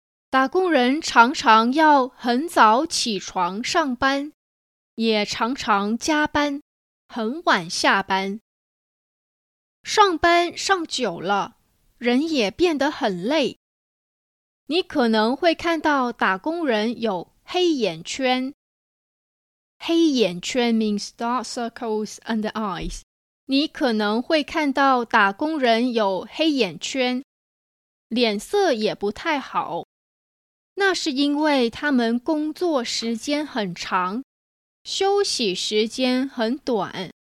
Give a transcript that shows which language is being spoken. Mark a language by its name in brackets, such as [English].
[Chinese] 打工人常常要很早起床上班，也常常加班，很晚下班。上班上久了，人也变得很累。你可能会看到打工人有黑眼圈。 [English] 黑眼圈 means dark circles under eyes。 [Chinese] 你可能会看到打工人有黑眼圈，脸色也不太好。那是因为他们工作时间很长，休息时间很短。